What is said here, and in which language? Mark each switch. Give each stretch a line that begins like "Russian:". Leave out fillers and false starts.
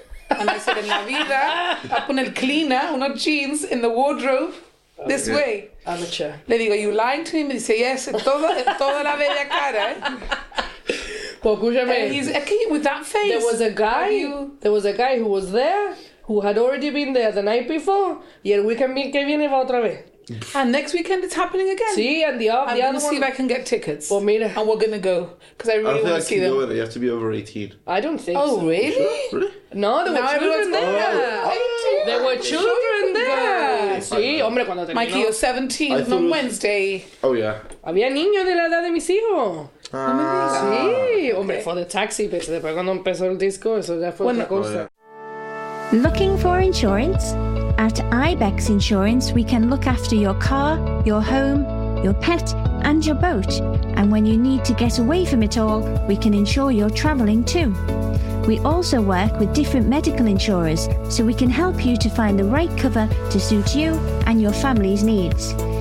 English: And I said,
Spanish: en la vida,
English: I put el cleaner, not jeans, in the wardrobe this way. Amateur.
Spanish: Le digo,
English: you lying to him? He said, yes,
Spanish: en toda la bella cara. Pues, escúchame.
English: He's a kid with that face. There was a guy. There was a guy who was there, who had already been there the night before.
Spanish: Y el weekend que viene va otra vez.
English: And next weekend it's happening again. Sí, and the other I'm going to see if I can get tickets. Well, mira. And we're going to go. Because I really want to see them. You have to be over 18. I don't think so. Oh, really? No, there were children there. There were children there.
Spanish: Sí, hombre, cuando terminó.
English: Mikey, you're 17 on Wednesday. Oh, yeah.
Spanish: Había niños de la edad de mis hijos. Sí,
English: hombre, for the taxi.
Spanish: Pero después cuando empezó el disco, eso ya fue otra cosa.
English: Looking for insurance? At Ibex Insurance, we can look after your car, your home, your pet, and your boat. And when you need to get away from it all, we can insure your travelling too. We also work with different medical insurers, so we can help you to find the right cover to suit you and your family's needs.